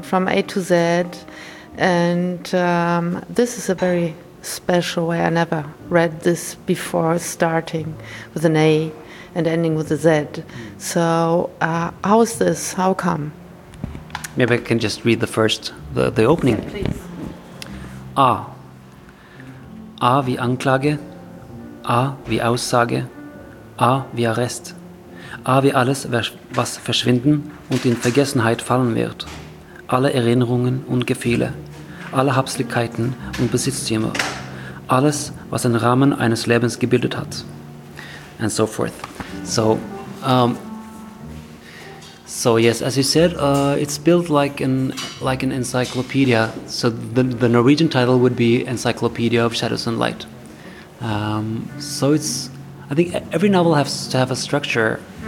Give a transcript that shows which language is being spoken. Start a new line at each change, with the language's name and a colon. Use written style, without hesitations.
English: From A to Z, and this is a very special way. I never read this before, starting with an A and ending with a Z. So how is this? How come? Maybe I can just read the opening. Yeah, please. Ah.
German: A wie Anklage, A wie Aussage, A wie Arrest, A wie alles, was verschwinden und in Vergessenheit fallen wird. Alle Erinnerungen und Gefühle, alle Habseligkeiten und Besitztümer, alles, was den Rahmen eines Lebens gebildet hat.
English: And so forth. So, so yes, as you said, it's built like an encyclopedia. So the Norwegian title would be Encyclopedia of Shadows and Light. So it's, I think every novel has to have a structure.